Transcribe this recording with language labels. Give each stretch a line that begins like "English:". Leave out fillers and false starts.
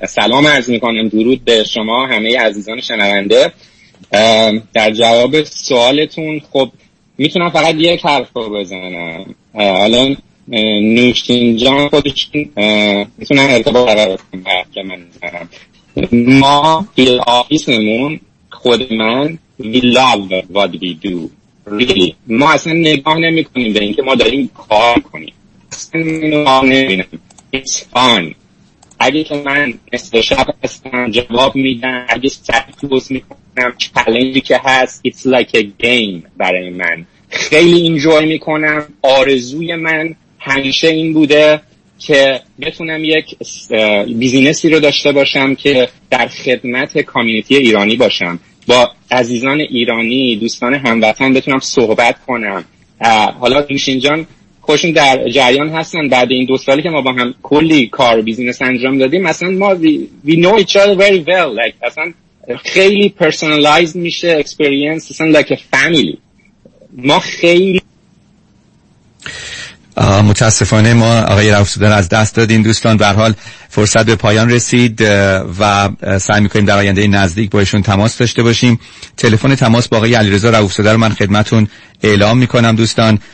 Persian: سلام عرض میکنم، درود به شما همه عزیزان شنونده. در جواب سوالتون خب میتونم فقط یک حرف رو بزنم. الان نوشین جان خودشون میتونن ارتباط برقرار کنم. ما توی آفیسمون خود من
English: we love what we do really.
Persian: ما اصلا نگاه نمی کنیم به اینکه ما داریم کار کنیم، اصلا نگاه نمی کنیم.
English: It's fun.
Persian: اگه که من نصف شب هستم جواب میدم، اگه سر کلوز می کنم چالنجی که هست،
English: It's like a game
Persian: برای من. خیلی enjoy می کنم. آرزوی من همیشه این بوده که بتونم یک بیزینسی رو داشته باشم که در خدمت کامیونیتی ایرانی باشم، با عزیزان ایرانی، دوستان هموطن بتونم صحبت کنم. حالا نوشین جان خوشون در جریان هستن، بعد این دو سالی که ما با هم کلی کار بیزینس انجام دادیم، مثلا ما
English: we know each other very well. Like
Persian: اصلا خیلی
English: personalized
Persian: میشه
English: experience،
Persian: اصلا
English: like a family.
Persian: ما خیلی متاسفانه ما آقای رئوف‌زاده از دست دادیم. دوستان به هر حال فرصت به پایان رسید و سعی می‌کنیم در آینده نزدیک با ایشون تماس داشته باشیم. تلفن تماس با آقای علیرضا رئوف‌زاده رو من خدمتون اعلام می‌کنم دوستان.